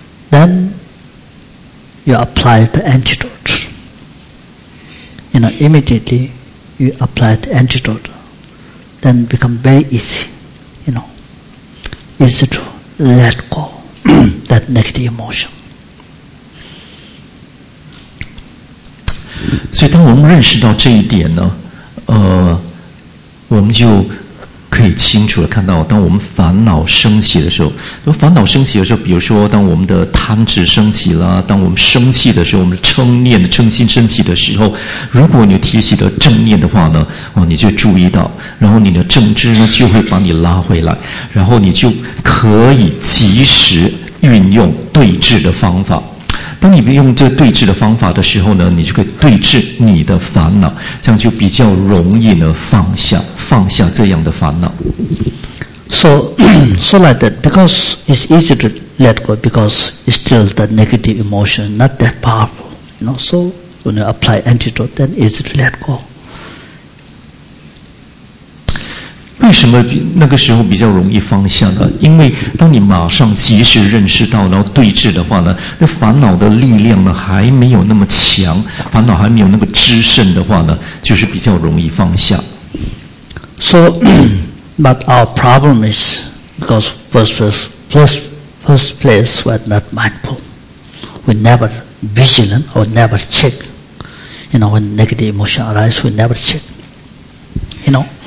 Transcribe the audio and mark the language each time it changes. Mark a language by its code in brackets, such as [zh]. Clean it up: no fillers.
[en] Then you apply the antidote. You know, immediately you apply the antidote, then become very easy, you know, easy to let go that negative emotion. [zh] 所以当我们认识到这一点呢，我们就可以清楚地看到，当我们烦恼升起的时候，就烦恼升起的时候，比如说当我们的贪执升起了，当我们生气的时候，我们称念的称心升起的时候，如果你提起的正念的话呢，你就注意到，然后你的正知呢就会把你拉回来，然后你就可以及时运用对治的方法。当你用这对治的方法的时候呢，你就可以对治你的烦恼，这样就比较容易呢放下这样的烦恼。 [en] So like that, because it's easy to let go, because it's still the negative emotion, not that powerful. You know, so when you apply antidote, then easy to let go. [zh] 为什么那个时候比较容易放下呢？因为当你马上及时认识到，然后对治的话呢，那烦恼的力量呢还没有那么强，烦恼还没有那个滋生的话呢，就是比较容易放下。 [en] So, but our problem is because first place we're not mindful, we never vigilant or never check. You know, when negative emotion arises, we never check. You know.